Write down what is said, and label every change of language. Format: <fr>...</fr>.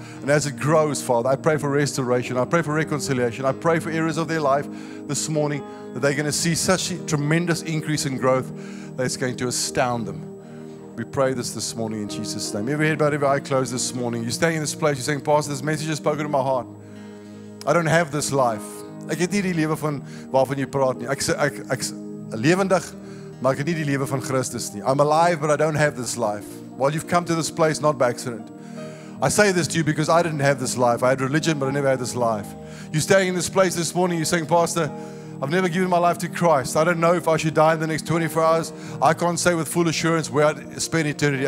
<en>And as it grows, Father, I pray for restoration. I pray for reconciliation. I pray for areas of their life this morning that they're going to see such a tremendous increase in growth that it's going to astound them. We pray this morning in Jesus' name. Every head bowed, every eye closed this morning. You're staying in this place. You're saying, Pastor, this message has spoken to my heart. I don't have this life.</en> <af>Ek het nie die lewe van waarvan jy praat nie. Ek lewendig, maar ek het nie die lewe van Christus nie.</af> <en>I'm alive, but I don't have this life. Well, you've come to this place not by accident. I say this to you because I didn't have this life. I had religion, but I never had this life. You're staying in this place this morning. You're saying, Pastor, I've never given my life to Christ. I don't know if I should die in the next 24 hours. I can't say with full assurance where I'd spend eternity.</en>